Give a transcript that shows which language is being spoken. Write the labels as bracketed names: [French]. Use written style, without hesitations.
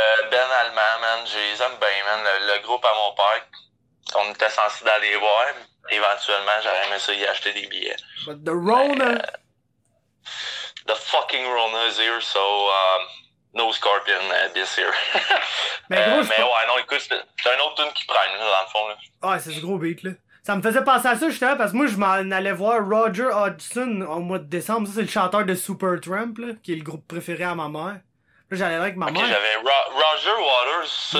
[French] Ben Allemand, man, je les aime bien, man. Le groupe à mon père, on était censé d'aller voir, éventuellement, j'aurais aimé ça y acheter des billets. [English] But the Rona! The fucking Rona is here, so no Scorpion this year. [French] mais ouais, non, écoute, c'est un autre tune qui prenne, là, dans le fond. Ah, ouais, c'est du gros beat, là. Ça me faisait penser à ça, justement, parce que moi, je m'en allais voir Roger Hodgson au mois de décembre. Ça, c'est le chanteur de Supertramp, là, qui est le groupe préféré à ma mère. J'allais avec ma mère. Ok, j'avais Roger Waters. Ça,